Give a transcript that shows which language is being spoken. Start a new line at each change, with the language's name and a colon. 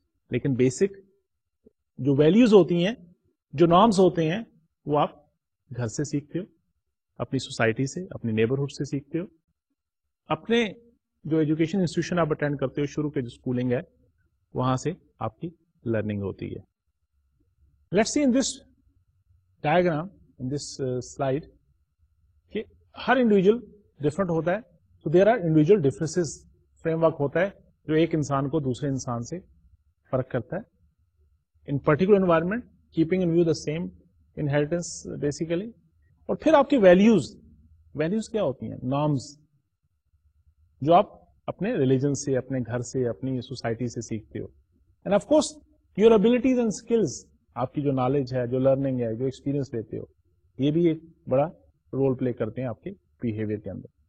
Urdu: لیکن بیسک جو ویلیوز ہوتی ہیں, جو نارمز ہوتے ہیں, وہ آپ گھر سے سیکھتے ہو, اپنی سوسائٹی سے, اپنی نیبرہڈ سے سیکھتے ہو, اپنے جو ایجوکیشن انسٹیٹیوشن آپ اٹینڈ کرتے ہو, شروع کے جو اسکولنگ ہے وہاں سے آپ کی لرننگ ہوتی ہے.
English: let's see in this diagram, in this slide,
Urdu: کہ ہر انڈیویجل ڈفرنٹ ہوتا ہے. تو there are individual differences frame work ہوتا ہے جو ایک انسان کو دوسرے انسان سے فرق کرتا ہے.
English: In particular environment keeping in view the same inheritance basically.
Urdu: اور پھر آپ کی ویلیوز, ویلیوز کیا ہوتی ہیں, نارمز جو آپ اپنے ریلیجن سے, اپنے گھر سے, اپنی سوسائٹی سے سیکھتے ہو.
English: and of course your abilities and skills,
Urdu: آپ کی جو نالج ہے, جو لرننگ ہے, جو ایکسپیرئنس لیتے ہو, یہ بھی ایک بڑا رول پلے کرتے ہیں آپ کے بیہیویئر کے اندر.